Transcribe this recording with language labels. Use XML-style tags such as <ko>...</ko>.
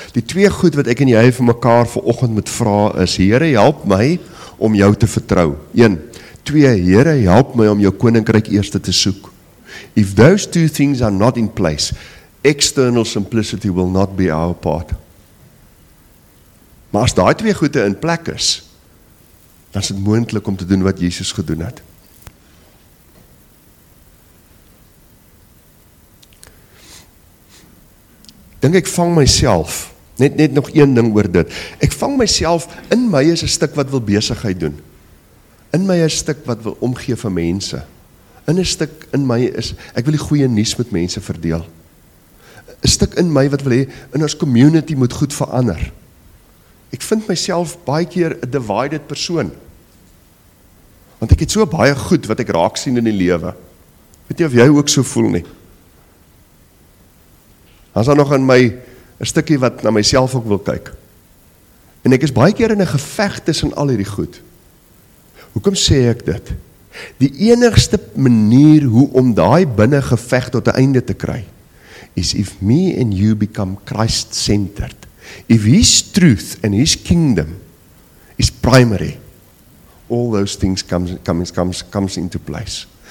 <af>Die twee goed wat ek en jy vir mekaar vanoggend moet vra is, Here, help my om jou te vertrou. 1. 2. Here, help my om jou koninkryk eerste te soek.</af> <en>If those two things are not in place, external simplicity will not be our part.</en> <af>Maar as daai twee goede in plek is, dan is dit moontlik om te doen wat Jesus gedoen het. dink ek vang myself, net nog een ding oor dit, ek vang myself, in my is een stuk wat wil besigheid doen, in my is een stuk wat wil omgee van mense, in een stuk in my is, ek wil die goeie nuus met mense verdeel, een stuk in my wat wil hê, in ons community moet goed verander, ek vind myself baie keer</af> <en>a divided</en> <af>persoon, want ek het so baie goed wat ek raak sien in die lewe, weet jy of jy ook so voel nie, as daar nog in my, een stukkie wat na myself ook wil kyk, en ek is baie keer in een gevecht tussen al hierdie goed, hoekom sê ek dit? Die enigste manier hoe om daai binne gevecht tot die einde te kry, is</af> <en>if me and you become Christ-centered, if his truth and his kingdom is primary, all those things comes into place.</en>